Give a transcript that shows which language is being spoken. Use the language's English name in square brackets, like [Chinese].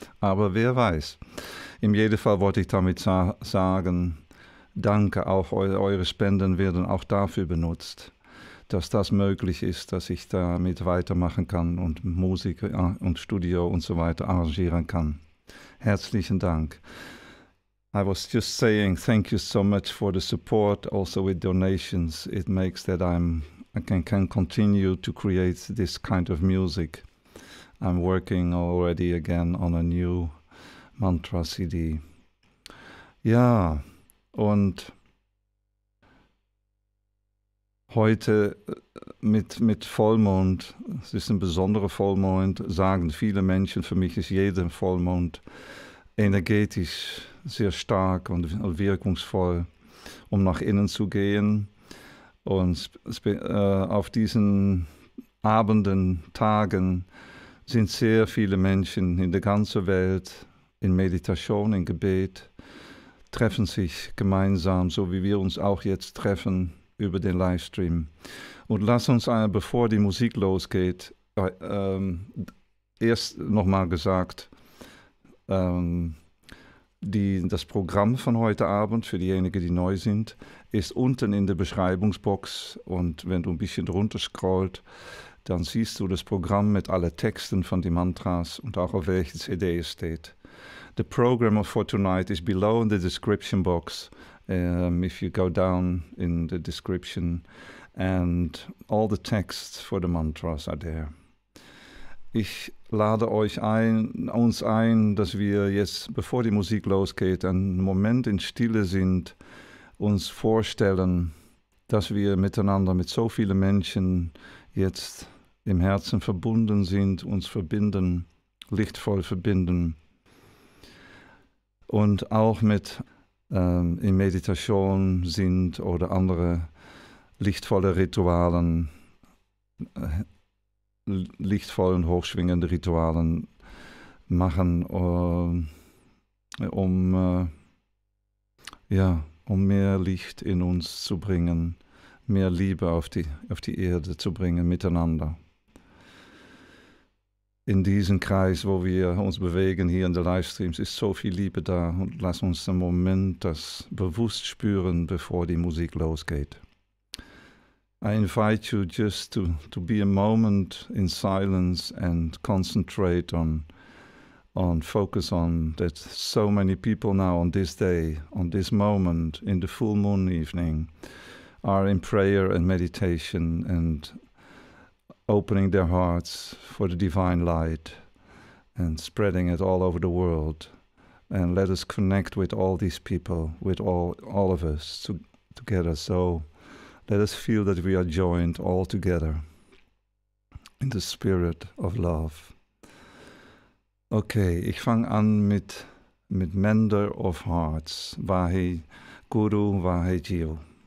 [German] Aber wer weiß. In jedem Fall wollte ich damit sagen, danke, auch eure Spenden werden auch dafür benutzt, dass das möglich ist, dass ich damit weitermachen kann und Musik und Studio und so weiter arrangieren kann. Herzlichen Dank. [English] I was just saying thank you so much for the support, also with donations. It makes that I can continue to create this kind of music. I'm working already again on a new Mantra CD. [German] Ja, und heute mit Vollmond, es ist ein besonderer Vollmond, sagen viele Menschen, für mich ist jeder Vollmond energetisch sehr stark und wirkungsvoll, um nach innen zu gehen. Und auf diesen Abenden, Tagen sind sehr viele Menschen in der ganzen Welt in Meditation, in Gebet, treffen sich gemeinsam, so wie wir uns auch jetzt treffen über den Livestream. Und lass uns, bevor die Musik losgeht, erst nochmal gesagt, das Programm von heute Abend, für diejenigen, die neu sind, ist unten in der Beschreibungsbox. Und wenn du ein bisschen drunter scrollst, dann siehst du das Programm mit allen Texten von den Mantras und auch auf welchen CD es steht. [English] The program for tonight is below in the description box. If you go down in the description, and all the texts for the mantras are there. [German] Ich lade uns ein, dass wir jetzt, bevor die Musik losgeht, einen Moment in Stille sind, uns vorstellen, dass wir miteinander mit so vielen Menschen jetzt im Herzen verbunden sind, uns verbinden, lichtvoll verbinden. Und auch mit in Meditation sind oder andere lichtvolle Ritualen, lichtvollen, hochschwingenden Ritualen machen, um mehr Licht in uns zu bringen, mehr Liebe auf die Erde zu bringen, miteinander. In diesem Kreis, wo wir uns bewegen, hier in den Livestreams, ist so viel Liebe da. Und lass uns einen Moment das bewusst spüren, bevor die Musik losgeht. [English] I invite you just to be a moment in silence and concentrate on focus on that so many people now on this day, on this moment, in the full moon evening, are in prayer and meditation and opening their hearts for the divine light and spreading it all over the world. and let us connect with all these people, with all of us together. So let us feel that we are joined all together in the spirit of love. [German] Okay, ich fange an mit Mender of Hearts, Vahe Guru, Vahe Jiu.